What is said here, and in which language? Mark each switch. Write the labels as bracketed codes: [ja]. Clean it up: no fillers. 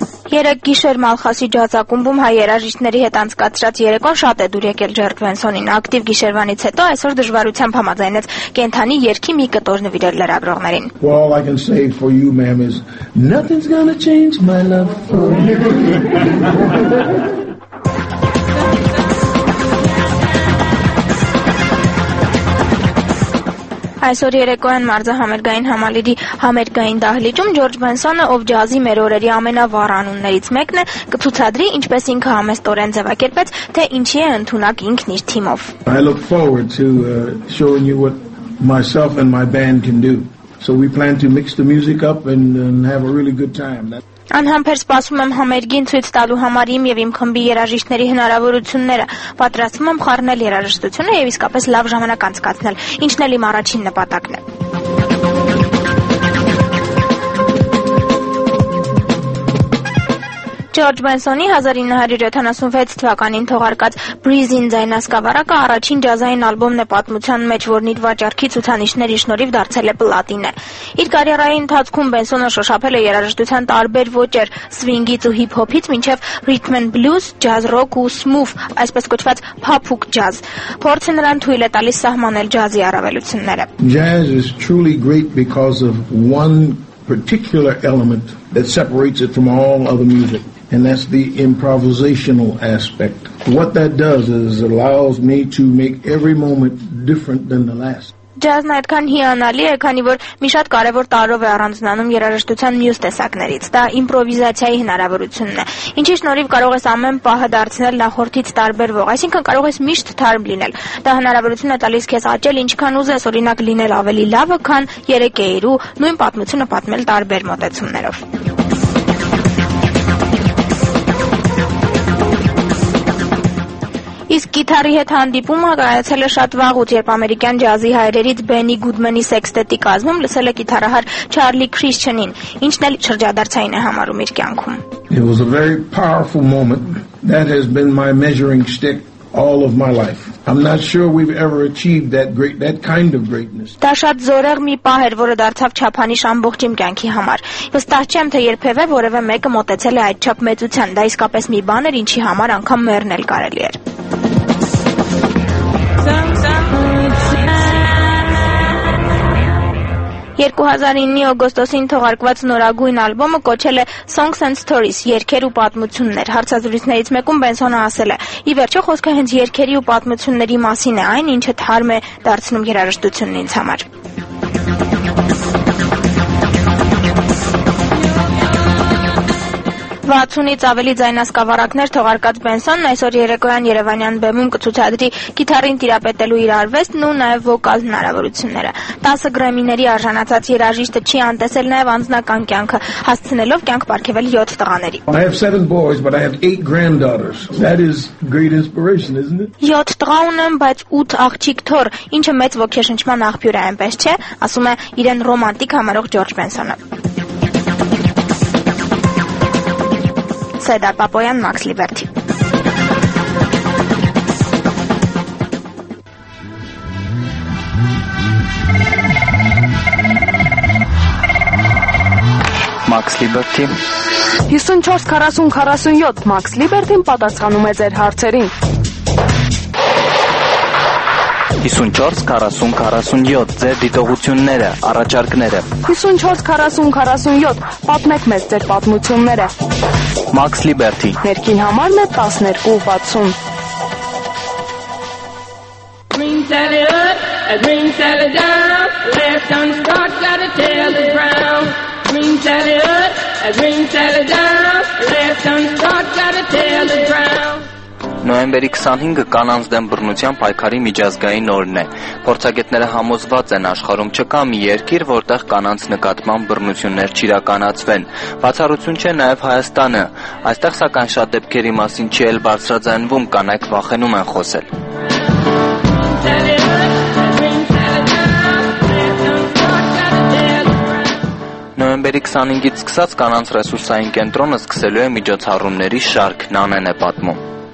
[hy] Երեկ գիշեր Մալխասի ջազակումբում հայ երաժիշտների հետ անցկացրած երեկոն շատ է դուր եկել Ջորջ Բենսոնին։ Ակտիվ գիշերվանից հետո այսօր դժվարությամբ համաձայնեց կենթանի երգի մի կտոր նվիրել լրագրողներին։ [en] Well, I can say for you, ma'am, is nothing's gonna change my love for you. [hy] Այսօր երեկոյան մարզահամերգային համալիրի համերգային դահլիճում Ջորջ Բենսոնը, ով ջազի մեր օրերի ամենավառ անուններից մեկն է, կցուցադրի, ինչպես ինքը համեստորեն ձևակերպեց, թե ինչի է ընդունակ ինքն իր թիմով։ [en] I look forward to showing you what myself and my band can do. So we plan to mix the music up and have a really good time. [hy] Անհամբեր սպասում եմ համերգին ցույց տալու համար իմ եւ իմ խմբի երաժիշտների հնարավորությունները։ Պատրաստվում եմ խառնել երաժշտությունը եւ իսկապես լավ ժամանակ անցկացնել, ինչն էլ իմ առաջին նպատակն է։ George Benson-ի 1976 թվականին թողարկած Breezin ձայնասկավարակը առաջին ջազային ալբոմն է պատմության մեջ, որն իր վաճառքի ցուցանիշների շնորհիվ դարձել է պլատինե։ Իր կարիերայի ընթացքում Benson-ը շոշափել է երաժշտության տարբեր ոճեր՝ swing-ից ու hip-hop-ից մինչև rhythm and blues, jazz rock ու smooth, այսպես կոչված փափուկ ջազ։ Փորձը նրան թույլ է տալիս սահմանել ջազի առավելությունները։ [en] Jazz is truly great because of one particular element that separates it from all other music, and that's the improvisational aspect. What that does is it allows me to make every moment different than the last. [hy] Ջազն այդքան հիանալի է, քանի որ մի շատ կարևոր տարով է առանձնանում երաժշտության մյուս տեսակներից։ Դա իմպրովիզացիայի հնարավորությունն է, ինչի շնորհիվ կարող ես ամեն պահը դարձնել նախորդից տարբերվող, այսինքն կարող ես միշտ թարմ լինել։ Դա հնարավորություն է տալիս քեզ աճել, ինչքան ուզես, օրինակ լինել ավելի լավը, քան երեկեր ու նույն պատմությունը պատմել տարբեր մոտեցումներով։ Իսկ գիտարի հետ հանդիպումը կայացել է շատ վաղուց, երբ ամերիկյան ջազի հայրերից Բենի Գուդմենի սեքստետի կազմում լսել է գիտարահար Չարլի Քրիստիանին, ինչն էլ շրջադարձային է համարում իր կյանքում։ [en] It was a very powerful moment that has been my measuring stick all of my life. I'm not sure we've ever achieved that kind of greatness. [hy] Դա շատ զորեղ մի պահ էր, որը դարձավ չափանիշ ամբողջ իմ կյանքի համար։ Վստահ չեմ, թե երբևէ որևէ մեկը մոտեցել է այդ չափ մեծության։ Դա իսկապես մի բան էր, ինչի համար անգամ մեռնել կարելի էր։ Երկուհազարինի օգոստոսին թողարկված նորագույն ալբոմը կոչել է Songs and Stories, երգեր ու պատմություններ։ Հարցազրույցներից մեկում Բենսոնը ասել է. «Ի վերջո խոսքը հենց երգերի ու պատմությունների մասին է, այն ինչը թարմ է դարձնում երաժշտությունն ինձ համար»։ Վաթունից ավելի ձայնասկավարակներ թողարկած Բենսոնն այսօր երեկոյան Երևանյան բեմում կցուցադրի գիտարին տիրապետելու իր արվեստն ու նաև վոկալ հնարավորությունները։ 10 գրեմիների արժանացած երաժիշտը չի անտեսել նաև անձնական կյանքը, հասցնելով կյանք պարգևել 7 տղաների։ [en] I have 7 boys, but I have 8 granddaughters. That is great inspiration, isn't it? [hy] 7 տղա ունեմ, բայց 8 աղջիկ թոր, ինչը մեծ ոգեշնչման աղբյուր է, այնպես չէ՞, ասում է իրեն ռոմանտիկ համարող Ջորջ Բենսոնը։ Սեդա Պապոյան, Մաքս Լիբերտի։ Մաքս Լիբերտի 54-40-47 Մաքս Լիբերտին պատասխանում է ձեր հարցերին։ 54-40-47 ձեր դիտողությունները, առաջարկները։ 54-40-47 պատմեք մեզ ձեր պատմությունները։ [en] Max Liberty [hy] ներքին համարն է 1260 Green salad up and green salad down left on start got to tell the ground Նոյեմբերի 25-ը կանանց դեմ բռնության պայքարի միջազգային օրն է։ Փորձագետները համոզված են, աշխարհում չկա մի երկիր, որտեղ կանանց նկատմամբ բռնություններ չիրականացվեն։ Բացառություն չէ նաև Հայաստանը։ Այստեղ սակայն շատ դեպքերի մասին չի էլ բարձրաձայնվում, կանայք վախենում են խոսել։ Նոյեմբերի 25-ից սկսած կանանց ռեսուրսային կենտրոնը սկսելու է միջոցառումների շարք, Նանեն է պատմում։